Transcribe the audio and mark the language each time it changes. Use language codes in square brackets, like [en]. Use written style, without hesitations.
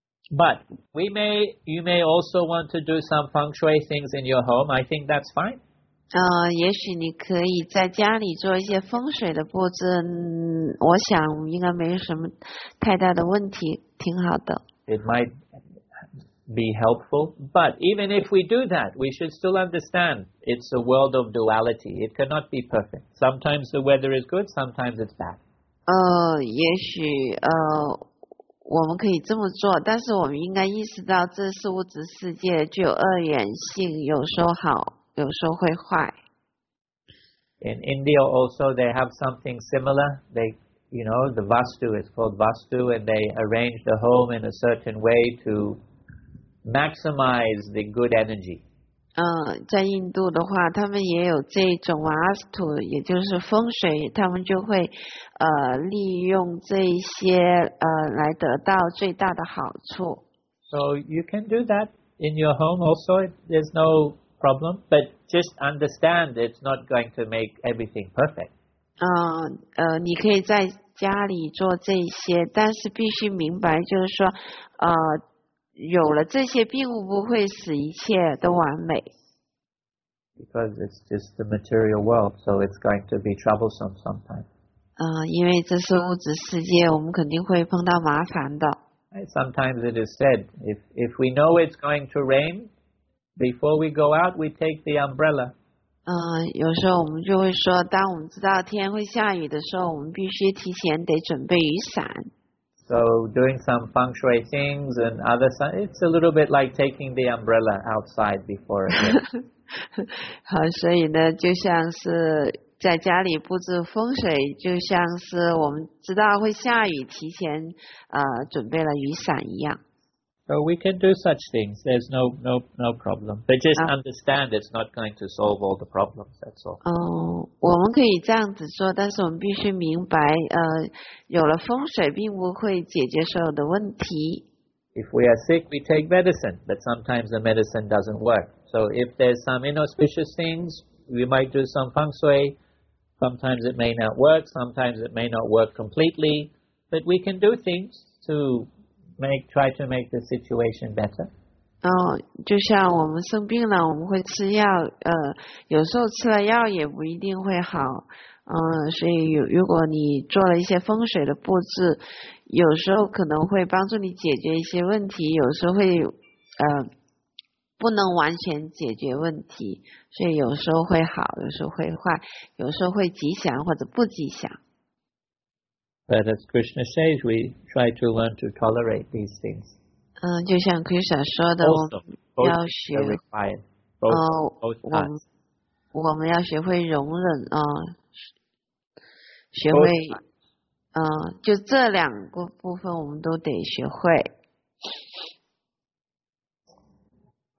[en] But you may also want to do some feng shui things in your home. I think that's fine. [zh] 也许你可以在家里做一些风水的布置，我想应该没有什么太大的问题，挺好的。 [en] It might be helpful, but even if we do that, we should still understand it's a world of duality. It cannot be perfect. Sometimes the weather is good, sometimes it's bad. [zh] 我们可以这么做，但是我们应该意识到这是物质世界，具有二元性，有时候好，有时候会坏。 [en] In India also, they have something similar. They, you know, the Vastu is called Vastu, and they arrange the home in a certain way to maximize the good energy. [zh] 在印度的话，他们也有这种 Vastu, 也就是风水，他们就会利用这些来得到最大的好处。 [en] So you can do that in your home also. There's no problem, but just understand it's not going to make everything perfect. [zh] 你可以在家里做这些，但是必须明白，就是说，有了这些，并不会使一切都完美。 [en] Because it's just the material world, so it's going to be troublesome sometimes. [zh] 因为这是物质世界，我们肯定会碰到麻烦的。 [en] Sometimes it is said, if we know it's going to rain. Before we go out, we take the umbrella. [zh] 有时候我们就会说，当我们知道天会下雨的时候，我们必须提前得准备雨伞。 [en] So doing some feng shui things and other stuff, it's a little bit like taking the umbrella outside before it rains. [zh] 好，所以呢，就像是在家里布置风水，就像是我们知道会下雨，提前准备了雨伞一样。 [en] So we can do such things. There's no problem. But just understand it's not going to solve all the problems. That's all. [zh] 我们可以这样子做，但是我们必须明白，有了风水并不会解决所有的问题。 [en] If we are sick, we take medicine, but sometimes the medicine doesn't work. So if there's some inauspicious things, we might do some feng shui. Sometimes it may not work. Sometimes it may not work completely. But we can do things to. Try to make the situation better. [zh] 就像我们生病了，我们会吃药，有时候吃了药也不一定会好，所以如果你做了一些风水的布置，有时候可能会帮助你解决一些问题，有时候会不能完全解决问题，所以有时候会好，有时候会坏，有时候会吉祥或者不吉祥。 [en] But as Krishna says, we try to learn to tolerate these things. [zh] 就像 Krishna 说的，我们要学我们要学会容忍啊，学会就这两个部分我们都得学会。